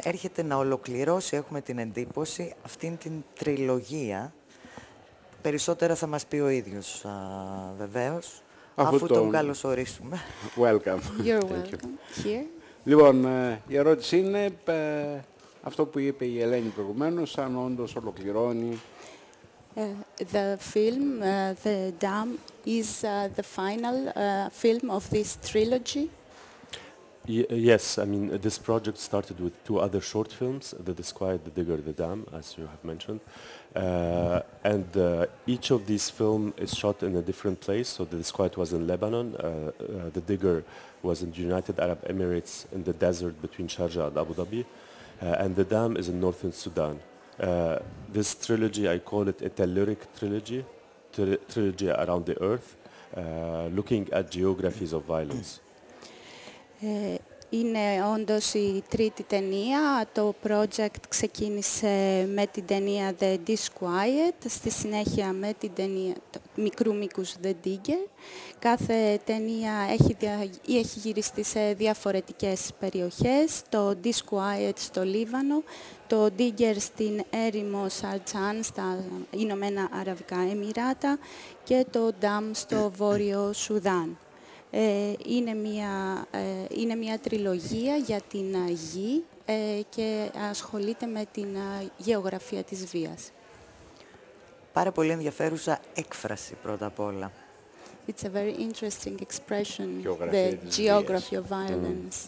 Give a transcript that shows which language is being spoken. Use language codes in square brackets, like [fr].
[el] Έρχεται να ολοκληρώσει, έχουμε την εντύπωση, αυτήν την τριλογία. Περισσότερα θα μας πει ο ίδιος, βεβαίως, αφού τον καλωσορίσουμε. [en] Welcome. You're welcome here. [el] Λοιπόν, η ερώτηση είναι αυτό που είπε η Ελένη προηγουμένως, αν όντως ολοκληρώνει. [en] The film, The Dam, is the final film of this trilogy? Yes, I mean, this project started with two other short films, The Disquiet, The Digger, The Dam, as you have mentioned. And each of these films is shot in a different place. So The Disquiet was in Lebanon, The Digger was in the United Arab Emirates in the desert between Sharjah and Abu Dhabi, and The Dam is in northern Sudan. This trilogy, I call it a telluric trilogy, trilogy around the earth, looking at geographies of violence. [el] Είναι όντως η τρίτη ταινία. Το project ξεκίνησε με την ταινία The Disquiet, στη συνέχεια με την ταινία μικρού μήκους The Digger. Κάθε ταινία έχει γυριστεί σε διαφορετικές περιοχές. Το Disquiet στο Λίβανο, το Digger στην έρημο Σαρτζάν στα Ηνωμένα Αραβικά Εμμυράτα και το Dam στο Βόρειο Σουδάν. Είναι μια τριλογία για την γη και ασχολείται με την γεωγραφία της βίας. Πάρα πολύ ενδιαφέρουσα έκφραση πρώτα απ' όλα. [en] It's a very interesting expression, the geography of violence.